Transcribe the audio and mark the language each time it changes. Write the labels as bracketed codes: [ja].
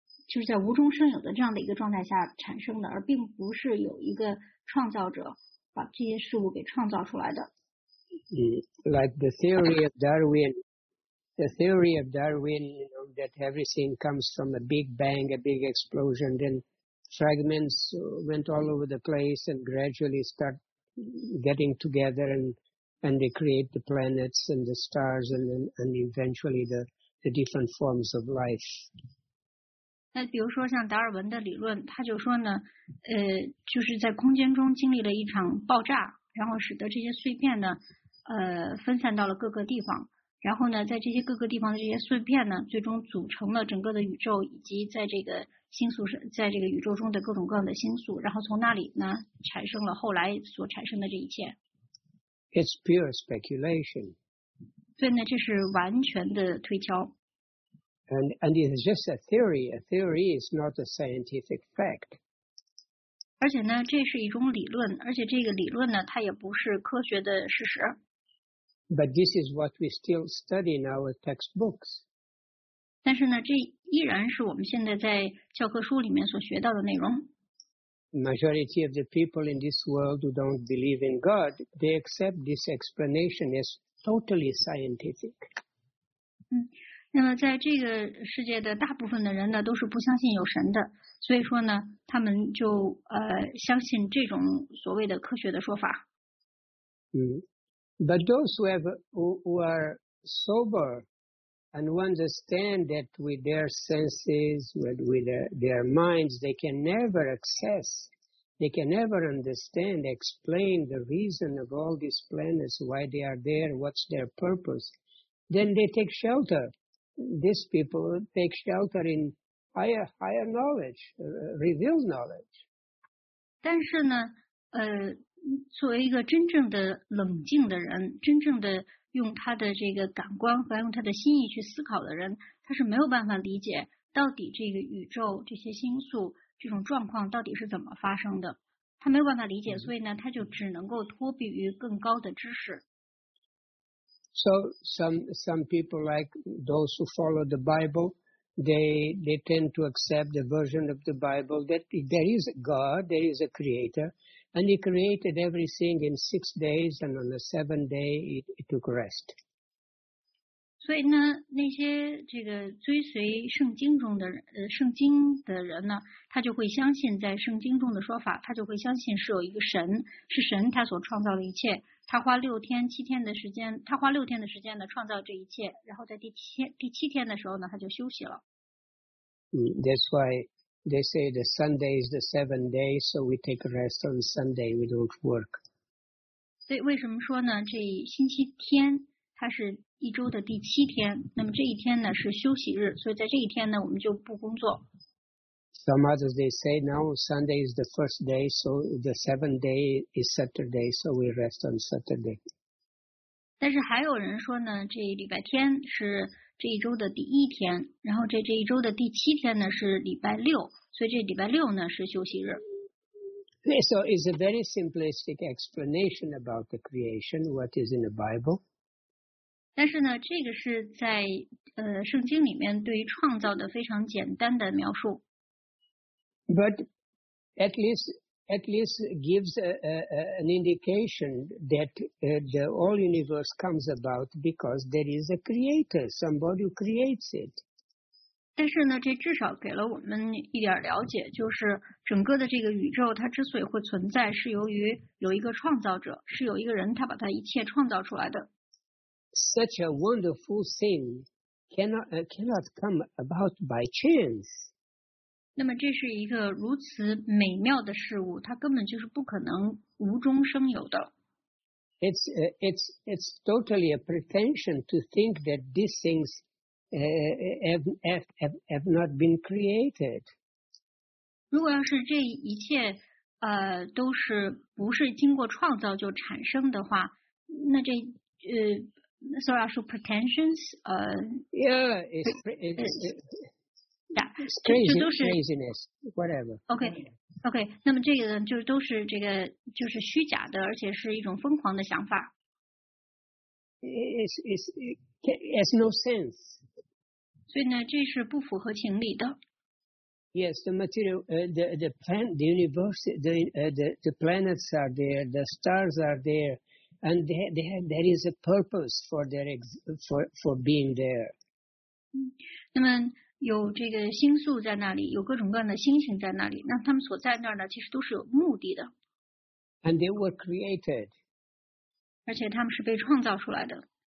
[zh] 就是在无中生有的这样的一个状态下产生的，而并不是有一个创造者把这些事物给创造出来的。 [en] Like the theory of Darwin, the theory of Darwin, you know, that everything comes from a big bang, a big explosion, then fragments went all over the place and gradually start getting together and they create the planets and the stars and eventually the different forms of life. [zh] 那比如说像达尔文的理论，他就说呢，就是在空间中经历了一场爆炸，然后使得这些碎片呢，分散到了各个地方，然后呢，在这些各个地方的这些碎片呢，最终组成了整个的宇宙，以及在这个星宿上，在这个宇宙中的各种各样的星宿，然后从那里呢，产生了后来所产生的这一切。 [en] It's pure speculation. [zh] 对呢，这是完全的推敲。 [en] And it is just a theory. A theory is not a scientific fact. [zh] 而且呢，这是一种理论，而且这个理论呢，它也不是科学的事实。 [en] But this is what we still study in our textbooks. [zh] 但是呢，这依然是我们现在在教科书里面所学到的内容。 [en] Majority of the people in this world who don't believe in God, they accept this explanation as totally scientific. [zh] 那么在这个世界的大部分的人呢，都是不相信有神的，所以说呢，他们就相信这种所谓的科学的说法。 [en] But those who are sober and who understand that with their senses, with their minds, they can never access, they can never understand, explain the reason of all these planets, why they are there, what's their purpose, then they take shelter. These people take shelter in higher knowledge, revealed knowledge. [zh] 但是呢，作为一个真正的冷静的人，真正的用他的这个感官和用他的心意去思考的人，他是没有办法理解到底这个宇宙这些星宿这种状况到底是怎么发生的，他没有办法理解，所以呢，他就只能够托庇于更高的知识。 [en] So some people like those who follow the Bible, they tend to accept the version of the Bible that there is a God, there is a creator, and he created everything in 6 days, and on the seventh day he took rest. [zh] 所以呢，那些这个追随圣经中的圣经的人呢，他就会相信在圣经中的说法，他就会相信是有一个神，是神他所创造的一切。他花六天七天的时间，他花六天的时间呢创造这一切，然后在第七天的时候呢，他就休息了。 [en] That's why they say the Sunday is the seventh day, so we take a rest on Sunday. We don't work. [zh] 所以为什么说呢？这星期天它是一周的第七天，那么这一天呢是休息日，所以在这一天呢我们就不工作。 [en] Some others they say now Sunday is the first day, so the seventh day is Saturday, so we rest on Saturday. [zh] 但是还有人说呢，这礼拜天是这一周的第一天，然后这一周的第七天呢是礼拜六，所以这礼拜六呢是休息日。 [en] So it's a very simplistic explanation about the creation, what is in the Bible. [zh] 但是呢，这个是在圣经里面对于创造的非常简单的描述。 [en] But at least gives an indication that the whole universe comes about because there is a creator, somebody who creates it. [zh] 但是呢，这至少给了我们一点了解，就是整个的这个宇宙它之所以会存在，是由于有一个创造者，是有一个人他把它一切创造出来的。 [en] Such a wonderful thing cannot come about by chance. [zh] 那么这是一个如此美妙的事物，它根本就是不可能无中生有的。 [en] It's totally a pretension to think that these things have not been created. [zh] 如果要是这一切都是不是经过创造就产生的话，那这所以要是 pretensions [en] craziness, whatever. [zh] Okay, 那么这个都是这个就是虚假的，而且是一种疯狂的想法。 [en] It has no sense. [zh] 所以呢，这是不符合情理的。 [en] Yes, the material, the planet, the universe, the planets are there, the stars are there, and there is a purpose for their for being there. [zh] 那么有这个星宿在那里, 有各种各样的星星在那里, 那他们所在那儿呢, 其实都是有目的的。 [en] And they were created. [zh] 而且他们是被创造出来的。